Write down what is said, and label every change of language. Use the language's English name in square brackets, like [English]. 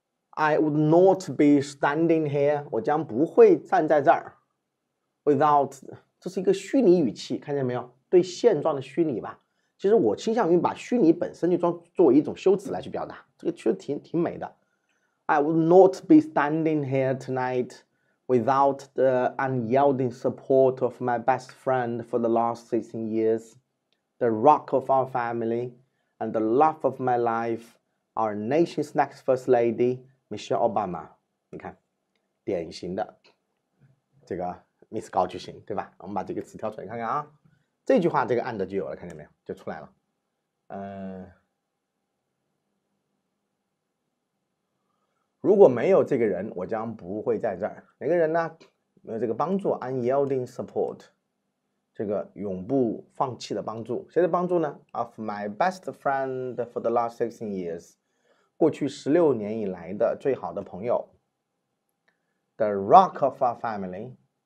[English] I would not be standing here， [Chinese] 我将不会站在这儿。 Without，这是一个虚拟语气，看见没有？对现状的虚拟吧。其实我倾向于把虚拟本身就作为一种修辞来去表达，这个其实挺美的。 [English] I will not be standing here tonight without the unyielding support of my best friend for the last 16 years. The rock of our family and the love of my life, our nation's next first lady, Michelle Obama。 [Chinese] 你看，典型的这个。 Miss 高就行，对吧？我们把这个词挑出来看看啊，这句话这个 and 就有了，看见没有？就出来了。如果没有这个人，我将不会在这儿。哪个人呢？没有这个帮助， [English] unyielding support， [Chinese] 这个永不放弃的帮助，谁的帮助呢？ [English] Of my best friend for the last 16 years， [Chinese] 过去16年以来的最好的朋友， [English] the rock of our family。